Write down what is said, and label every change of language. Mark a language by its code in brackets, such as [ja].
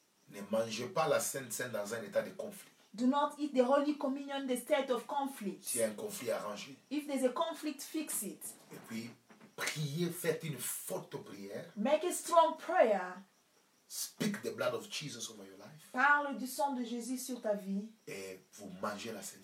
[fr] Ne mangez pas la Sainte Seine dans un état de conflit. [en] Do not eat the Holy Communion in the state of conflict. [fr] S'il y a un conflit arrangé. [en] If there's a conflict, fix it. [fr] Et puis priez, faites une forte prière. [en] Make a strong prayer. Speak the blood of Jesus over your life. [fr] Parle du sang de Jésus sur ta vie. Et vous mangez la Sainte